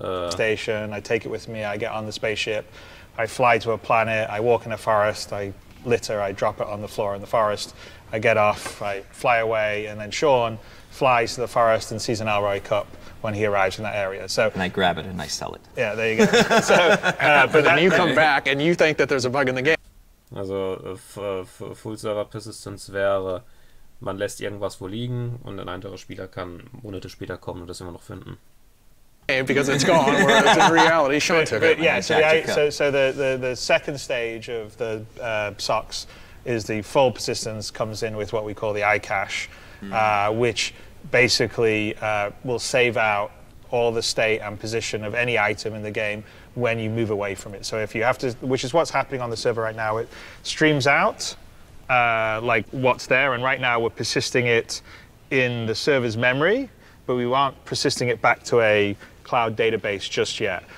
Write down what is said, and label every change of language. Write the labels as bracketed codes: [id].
[en] Station, I take it with me, I get on the spaceship, I fly to a planet, I walk in a forest, I litter, I drop it on the floor in the forest, I get off, I fly away, and then Sean flies to the forest and sees an Elroy cup when he arrives in that area. So, and I grab it and I sell it. Yeah, there you go. So, but then you come back and you think that there's a bug in the game. [de] Also, Full Server Persistence wäre, man lässt irgendwas wo liegen und ein anderer Spieler kann Monate später kommen und das immer noch finden. [en] Because it's gone, whereas in reality, Sean took it. Yeah, so the second stage of the SOX is the full persistence comes in with what we call the iCache. Which basically will save out all the state and position of any item in the game when you move away from it. So if you have to, which is what's happening on the server right now, it streams out like what's there, and right now we're persisting it in the server's memory, but we aren't persisting it back to a cloud database just yet.